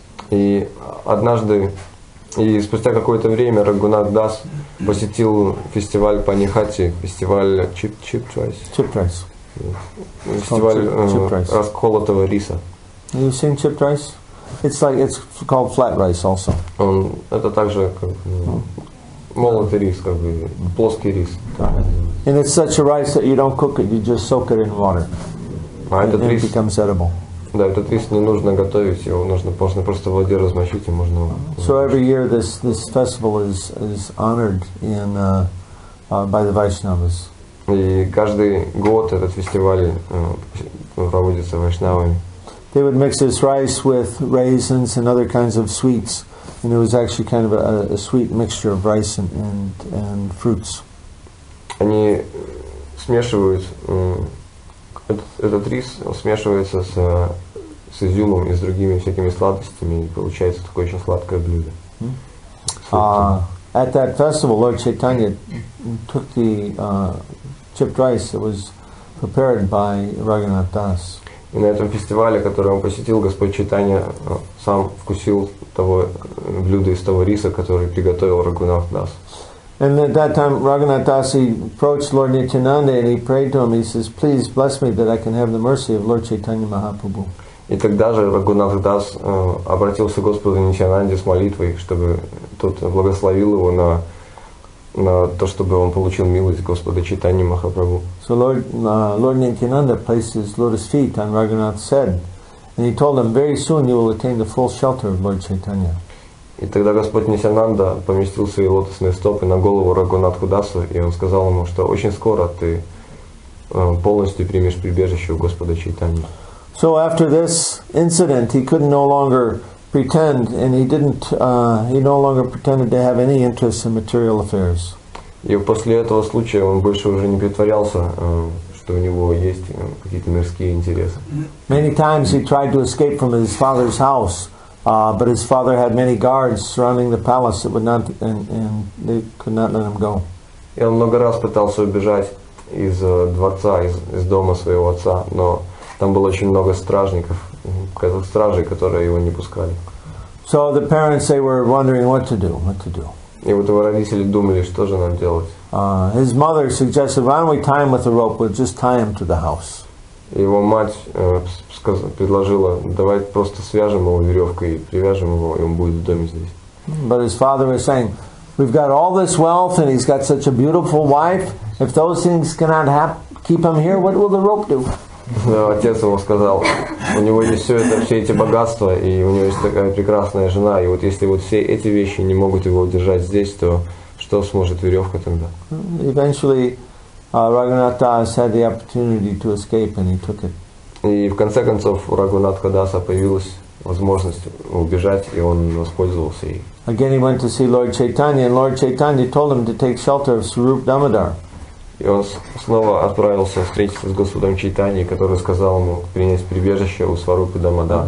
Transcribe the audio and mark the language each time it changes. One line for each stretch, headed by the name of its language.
Russian: И однажды и спустя какое-то время Raghunath Das посетил фестиваль Панихати, фестиваль chipped rice. Фестиваль расколотого риса.
English: You seen chipped rice? It's like it's called flat rice also.
Russian: Это также как молотый рис, как бы плоский рис.
English: And it's such a rice that you don't cook it, you just soak it in water.
Russian: А этот
English: and
Russian: рис,
English: it becomes edible.
Russian: Да, этот рис не нужно готовить, его можно просто в воде размочить и можно.
English: So every year this festival is honored in by the Vaishnavas.
Russian: И каждый год этот фестиваль проводится вайшнавами.
English: They would mix this rice with raisins and other kinds of sweets, and it was actually kind of a sweet mixture of rice and fruits.
Russian: Они смешивают этот рис смешивается с изюмом и с другими всякими сладостями, и получается такое очень сладкое блюдо.
English: At that festival, Lord Chaitanya took the chipped rice that was prepared by Raghunath Das.
Russian: И на этом фестивале, который он посетил, Господь Чайтанья сам вкусил того блюда из того риса, который приготовил Raghunath Das.
English: And at that time, Raghunath Das approached Lord Nityananda and he prayed to him. He says, "Please bless me that I can have the mercy of Lord Chaitanya Mahaprabhu."
Russian: И тогда же Raghunath Das обратился к Господу Нитянанде с молитвой, чтобы тот благословил его на то, чтобы он получил милость Господа Чайтанья Махапрабху.
English: So Lord Nityananda placed his lotus feet on Raghunath's head, and he told him, "Very soon you will attain the full shelter of Lord Chaitanya."
Russian: И тогда Господь Нитянанда поместил свои лотосные стопы на голову Raghunath Dasa, и он сказал ему, что очень скоро ты полностью примешь прибежище у Господа Чайтанья.
English: So after this incident, he couldn't no longer pretend, and he no longer pretended to have any interest in material affairs.
Russian: И после этого случая он больше уже не притворялся, что у него есть какие-то мирские интересы.
English: Many times he tried to escape from his father's house, but his father had many guards surrounding the palace that would not, and they could not let him go.
Russian: И он много раз пытался убежать из дворца, из дома своего отца, но там было очень много стражников, каких-то стражей, которые его не пускали.
English: So the parents, they were wondering what to do.
Russian: И вот его родители думали, что же нам делать.
English: His mother suggested, "Why don't we tie him with a rope? We'll just tie him to the house."
Russian: Его мать предложила, давай просто свяжем его веревкой и привяжем его, и он будет в доме здесь.
English: But his father was saying, "We've got all this wealth, and he's got such a beautiful wife. If those things cannot keep him here, what will the rope do?"
Russian: Отец ему сказал, у него есть все эти богатства, и у него есть такая прекрасная жена, и вот если вот все эти вещи не могут его удержать здесь, то что сможет веревка тогда?
English: Eventually, Raghunath Das had the opportunity to escape, and he took it.
Russian: И в конце концов у Raghunath Dasa появилась возможность убежать, и он воспользовался ей.
English: Again, he went to see Lord Chaitanya, and Lord Chaitanya told him to take shelter of Swarup Damodar.
Russian: И он снова отправился встретиться с Господом Чайтаньей, который сказал ему принять прибежище у Сварупы Дамодара.